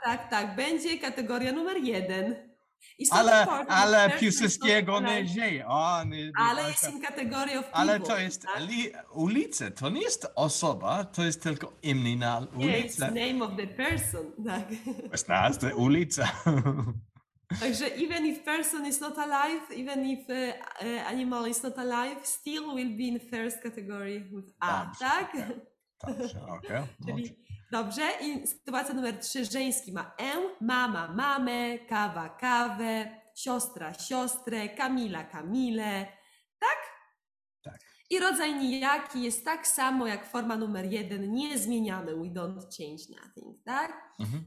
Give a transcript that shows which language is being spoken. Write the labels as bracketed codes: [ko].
[pl] Tak. Będzie kategoria numer 1. Ale Piłsudskiego nie żyje. Ale jest in kategoria w Ale to jest ulica, to nie jest osoba, to jest tylko imię na ulicę. [en] Yeah, it's name of the person, tak. [pl] Jest nazwa ulica. [en] Także even if person is not alive, even if animal is not alive, still will be in first category with A, [pl] dobrze, tak? [en] Okay. [pl] Dobrze, i sytuacja numer 3, żeński ma E, mama, mamę, kawa, kawę, siostra, siostrę, Kamila, Kamile, tak? Tak. I rodzaj nijaki jest tak samo jak forma numer 1, nie zmieniamy, [en] we don't change nothing, [pl] tak? Mhm.